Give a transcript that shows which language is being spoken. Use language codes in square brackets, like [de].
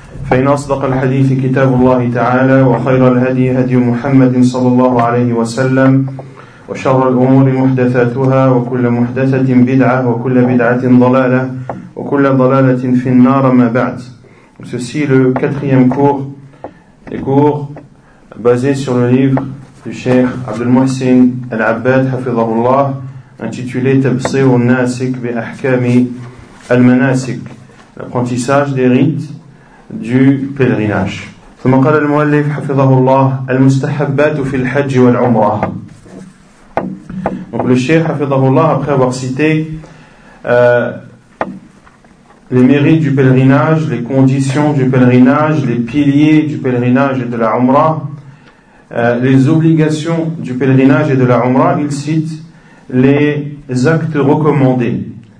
[ar] فإن أصدق الحديث كتاب الله تعالى وخير الهدي هدي محمد صلى الله عليه وسلم وشر الأمور محدثاتها وكل محدثة بدعة وكل بدعة ضلالة وكل ضلالة في النار ما بعد. [fr] Ceci est le quatrième cours, les cours basés sur le livre du Cheikh Abdul Muhsin Al-Abbad Hafidhahullah intitulé Tabsir al-Nasik bi Ahkami al-Manasik, l'apprentissage des rites du pèlerinage. [ar] ثم قال المؤلف حفظه الله المستحبات في الحج والعمرة. [fr] Donc le Cheikh Hafidhahullah, après avoir cité les mérites du pèlerinage, les conditions du pèlerinage, les piliers du pèlerinage et de la Umrah, les obligations du pèlerinage et de la Umrah, il cite les actes recommandés.